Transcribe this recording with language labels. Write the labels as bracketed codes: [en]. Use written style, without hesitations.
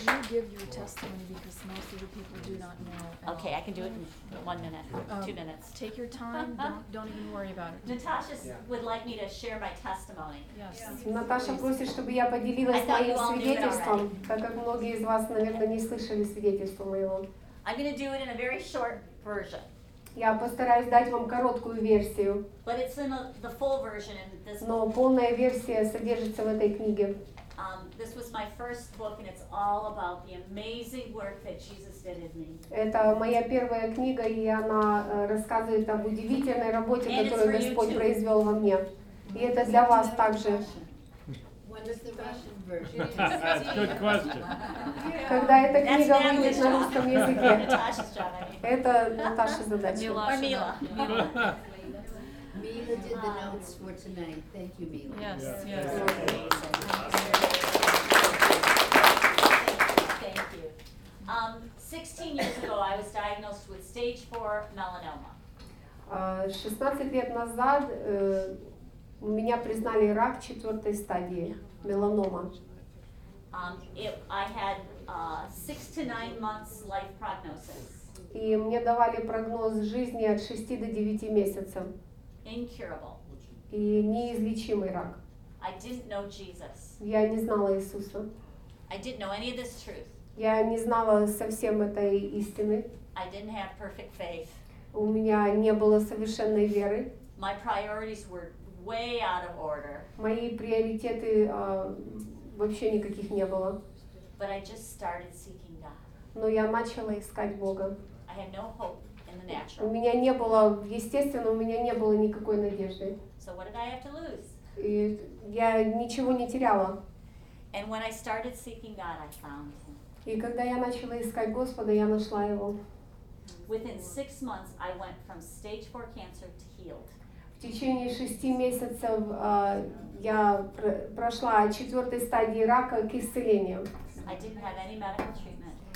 [en] Give your testimony because most of the people do not know. Okay, I can do it in 1 minute, 2 minutes. Take your time, don't even worry about it. Natasha would like me to share my testimony. Yes. [ru] Natasha просит, чтобы я поделилась моим свидетельством, так как многие из вас, наверное, не слышали свидетельство моего. [en] I'm going to do it in a very short version. [ru] Я постараюсь дать вам короткую версию. [en] But it's in the full version in this book. [ru] Но полная версия содержится в этой книге. [en] This was my first book, and it's all about the amazing work that Jesus did in me. [ru] Это моя первая книга, и она рассказывает об удивительной работе, которую Господь произвел во мне. И это для вас также. [en] When is the Russian version? Good question. [ru] Когда эта книга выйдет на русском языке? [en] Наташа's job, I mean. [ru] Это Наташа's задача. [en] Or Mila. Mila did the notes for tonight. Thank you, Mila. Yes. Thank you. 16 years ago, I was diagnosed with stage 4 melanoma. [ru] 16 лет назад меня признали рак четвертой стадии меланома. [en] I had 6 to 9 months life prognosis. [ru] И мне давали прогноз жизни от 6 до 9 месяцев. [en] Incurable. [ru] И неизлечимый рак. [en] I didn't know Jesus. [ru] Я не знала Иисуса. [en] I didn't know any of this truth. [ru] Я не знала совсем этой истины. [en] I didn't have perfect faith. [ru] У меня не было совершенной веры. [en] My priorities were way out of order. [ru] Мои приоритеты вообще никаких не было. [en] But I just started seeking God. [ru] Но я начала искать Бога. [en] I had no hope in the natural. [ru] У меня не было, естественно, у меня не было никакой надежды. [en] So what did I have to lose? [ru] И я ничего не теряла. [en] And when I started seeking God, I found him. [ru] И когда я начала искать Господа, я нашла его. [en] Within 6 months, I went from stage 4 cancer to healed. [ru] В течение 6 месяцев я прошла от четвертой стадии рака к исцелению. [en] I didn't have any medical treatment.